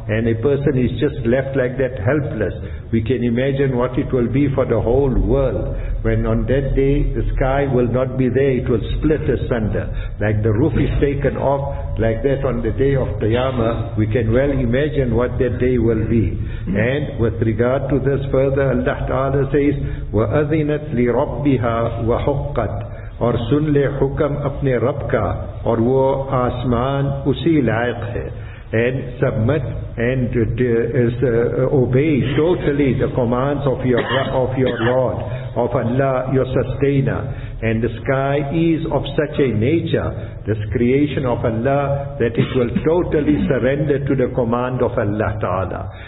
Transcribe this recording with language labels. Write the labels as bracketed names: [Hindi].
[English] And a person is just left like that helpless. We can imagine what it will be for the whole world. When on that day the sky will not be there, it will split asunder. Like the roof is taken off, like that on the day of Qiyamah, we can well imagine what that day will be. And with regard to this further, Allah Ta'ala says, [Arabic] وَأَذِنَتْ لِرَبِّهَا وَحُقَّتْ [Urdu] اور سن لے حکم اپنے رب کا اور وہ آسمان اسی لائق ہے. [English] And submit and obey totally the commands of your Lord, of Allah, your sustainer. And the sky is of such a nature, this creation of Allah, that it will totally surrender to the command of Allah Ta'ala.